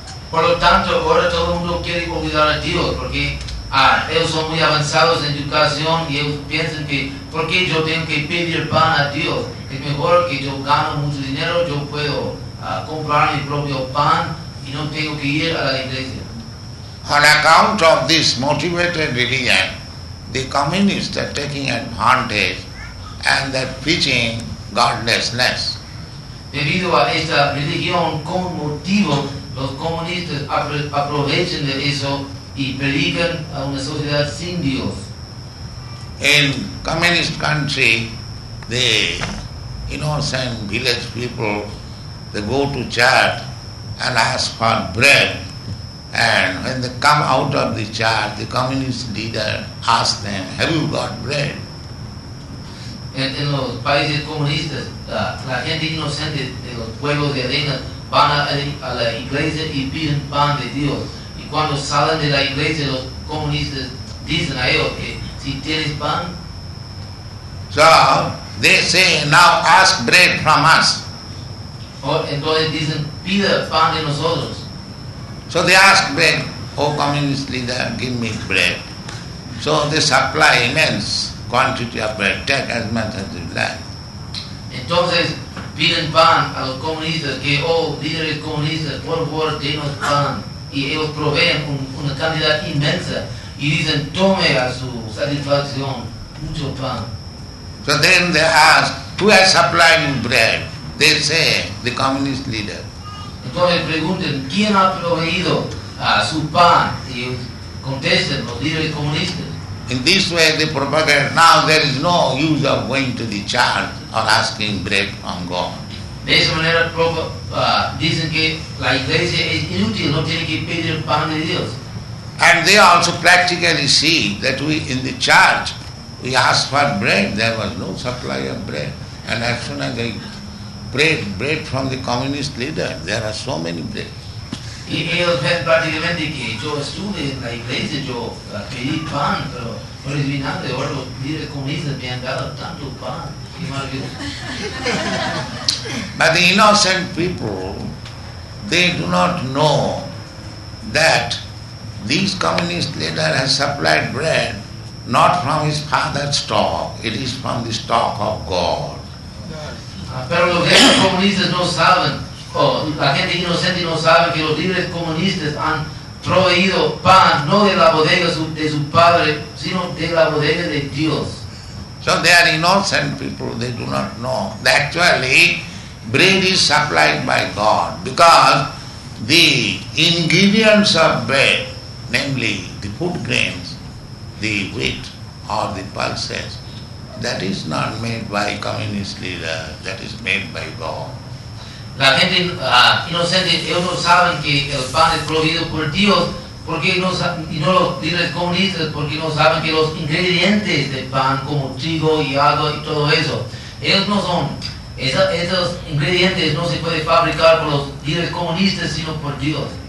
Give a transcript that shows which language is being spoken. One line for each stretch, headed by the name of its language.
Spanish: Por lo tanto, ahora todo el mundo quiere olvidar a Dios porque ellos son muy avanzados en educación y ellos piensan que ¿por qué yo tengo que pedir pan a Dios? Es mejor que yo gano mucho dinero, yo puedo comprar mi propio pan y no tengo que ir a la iglesia.
English: On account of this motivated religion, the communists are taking advantage and they're preaching godlessness.
Spanish: Debido a esta religión con motivo, los comunistas aprovechan de eso y predican a una sociedad sin Dios.
English: In communist country, the innocent village people, they go to church and ask for bread. And when they come out of the church, the communist leader asks them, have you got bread?
Spanish: En los países comunistas, la gente inocente de los pueblos de arena van a la iglesia y piden pan de Dios. Y cuando salen de la iglesia, los comunistas dicen a ellos que si tienes pan.
English: So, they say, now ask bread from us.
Spanish: Entonces dicen, pide pan de nosotros.
English: So they ask bread, oh communist leader, give me bread. So they supply immense quantity of bread, take as much as you like.
Spanish: Entonces piden pan a los comunistas que, oh líderes comunistas, por favor denos pan. Y ellos proveen una cantidad inmensa y dicen, tome a su satisfacción mucho pan.
English: So then they ask, who has supplied you bread? They say, the communist leader.
Spanish: Entonces pregunten, ¿quién ha proveído su pan? Y contesten, los líderes comunistas.
English: In this way they propagate, now there is no use of going to the church or asking bread from God.
Spanish: De esa manera dicen que la iglesia es inútil, no tiene que pedir pan de Dios.
English: And they also practically see that we in the church, we asked for bread, there was no supply of bread. And as soon as they bread from the communist leader. There are so many bread.
Spanish: Y ellos ven prácticamente que yo estuve en la iglesia, yo pedí pan, pero por el final de hoy los líderes comunistas me han dado tanto pan. Qué maravilloso.
English: But the innocent people, they do not know that these communist leader has supplied bread not from his father's stock, it is from the stock of God.
Spanish: Pero los comunistas no saben, la gente inocente no sabe que los líderes comunistas han proveído pan, no de la bodega de su padre, sino de la bodega de Dios.
English: So they are innocent people, they do not know. Actually, bread is supplied by God because the ingredients of bread, namely the food grains, the wheat or the pulses, that is not made by communist leader, that is made by God.
Spanish: La gente inocente, ellos no saben que el pan es proveído por Dios, porque no saben, y no los líderes comunistas, porque no saben que los ingredientes del pan, como trigo y agua y todo eso, ellos no son, esos ingredientes no se pueden fabricar por los líderes comunistas, sino por Dios.